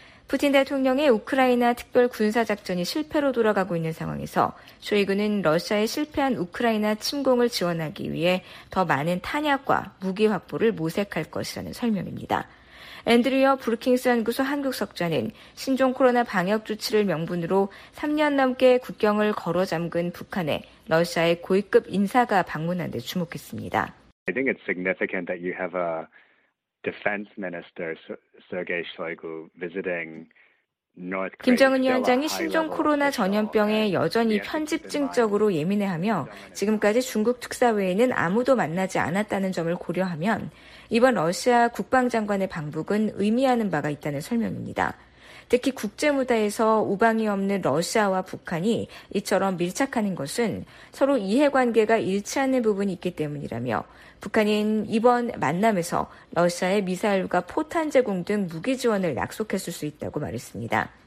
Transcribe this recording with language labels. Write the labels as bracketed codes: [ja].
[ko] 푸틴 대통령의 우크라이나 특별군사작전이 실패로 돌아가고 있는 상황에서 쇼이구는 러시아의 실패한 우크라이나 침공을 지원하기 위해 더 많은 탄약과 무기 확보를 모색할 것이라는 설명입니다. 앤드리어 브루킹스 연구소 한국석좌는 신종 코로나 방역 조치를 명분으로 3년 넘게 국경을 걸어 잠근 북한에 러시아의 고위급 인사가 방문한 데 주목했습니다. [en] I think it's significant that you have a defense minister Sergei Shoigu visiting [ko] 김정은 위원장이 신종 코로나 전염병에 여전히 편집증적으로 예민해하며 지금까지 중국 특사 외에는 아무도 만나지 않았다는 점을 고려하면 이번 러시아 국방장관의 방북은 의미하는 바가 있다는 설명입니다. 특히 국제무대에서 우방이 없는 러시아와 북한이 이처럼 밀착하는 것은 서로 이해관계가 일치하는 부분이 있기 때문이라며 북한은 이번 만남에서 러시아의 미사일과 포탄 제공 등 무기 지원을 약속했을 수 있다고 말했습니다.